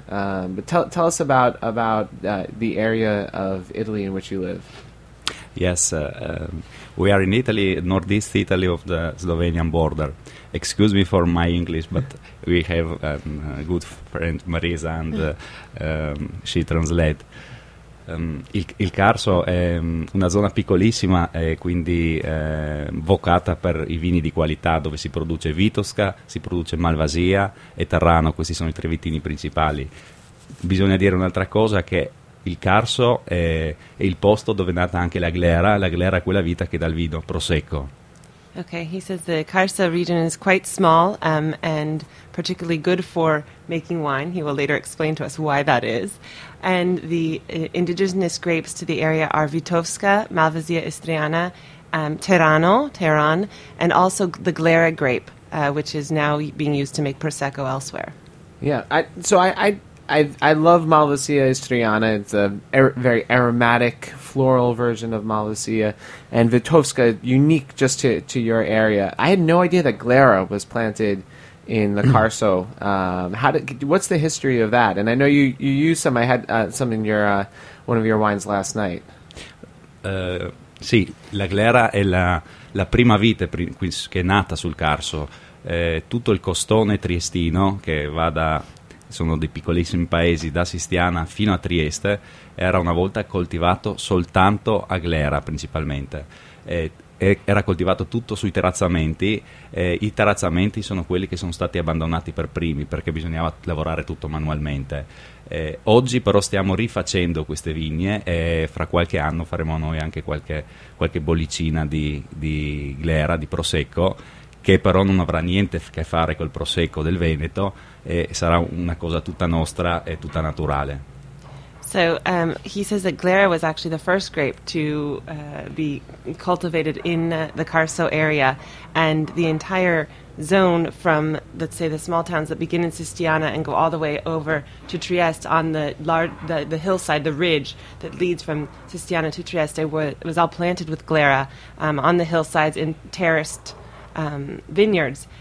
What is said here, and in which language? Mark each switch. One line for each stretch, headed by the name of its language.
English: But tell us about the area of Italy in which you live. Yes, we are in Italy, northeast Italy of the Slovenian border. Excuse me for my English, but we have a good friend, Marisa, and she translate.
Italian: Il Carso è una zona piccolissima e quindi vocata per i vini di qualità, dove si produce Vitosca, si produce Malvasia e Tarrano. Questi sono i tre vitini principali. Bisogna dire un'altra cosa, che il Carso è il posto dove è nata anche la glera è quella vita che dà il vino prosecco.
English: Okay, he says the Carso region is quite small and particularly good for making wine. He will later explain to us why that is. And the indigenous grapes to the area are Vitovska, Malvasia Istriana, Terrano, Tehran, and also the Glera grape, which is now being used to make Prosecco elsewhere. Yeah, I love Malvasia Istriana. It's a very aromatic, floral version of Malvasia. And Vitovska, unique just to your area. I had no idea that Glera was planted in the Carso. What's the history of that? And I know you used some. I had some in your one of your wines last night.
Italian: Sì, la Glera è la prima vite che è nata sul Carso. Tutto il costone triestino che va da... sono dei piccolissimi paesi, da Sistiana fino a Trieste, era una volta coltivato soltanto a Glera principalmente. Era coltivato tutto sui terrazzamenti, i terrazzamenti sono quelli che sono stati abbandonati per primi perché bisognava lavorare tutto manualmente. Oggi però stiamo rifacendo queste vigne e fra qualche anno faremo noi anche qualche bollicina di Glera, di Prosecco, che però non avrà niente a che fare col Prosecco del Veneto, e sarà una cosa tutta nostra e tutta naturale.
English: So he says that Glera was actually the first grape to be cultivated in the Carso area, and the entire zone from, let's say, the small towns that begin in Sistiana and go all the way over to Trieste on the hillside, the ridge that leads from Sistiana to Trieste was all planted with Glera on the hillsides in terraced vineyards.